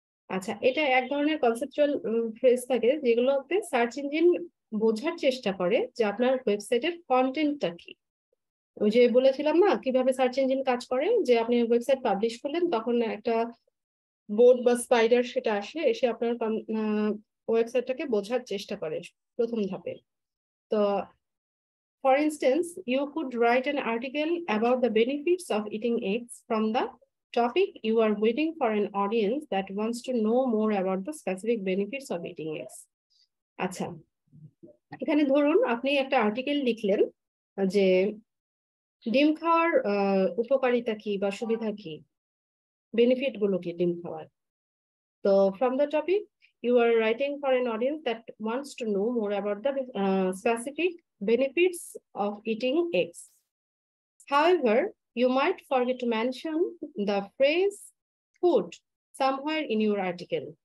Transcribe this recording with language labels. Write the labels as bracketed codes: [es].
[bn] আচ্ছা, এটা এক ধরনের কনসেপচুয়াল ফ্রেজ থাকে যেগুলোতে সার্চ ইঞ্জিন বোঝার চেষ্টা করে যে আপনার ওয়েবসাইটের কন্টেন্টটা কি। ওই যে বলেছিলাম না কিভাবে সার্চ ইঞ্জিন কাজ করে, যে আপনি ওয়েবসাইট পাবলিশ করলেন তখন একটা বোর্ড বা স্পাইডার সেটা আসে, এসে আপনার ওয়েবসাইটটাকে বোঝার চেষ্টা করে প্রথম ধাপে। [en] তো for instance, you could write an article about the benefits of eating eggs from the topic you are waiting for an audience that wants to know more about the specific benefits of eating eggs. [bn] আচ্ছা, এখানে ধরুন আপনি একটা article লিখলেন যে ডিম খাওয়ার উপকারিতা কি বা সুবিধা কি, বেনিফিট গুলো কি ডিম খাওয়ার। [en] তো from the topic you are writing for an audience that wants to know more about the specific benefits of eating eggs. However, you might forget to mention the phrase food somewhere in your article.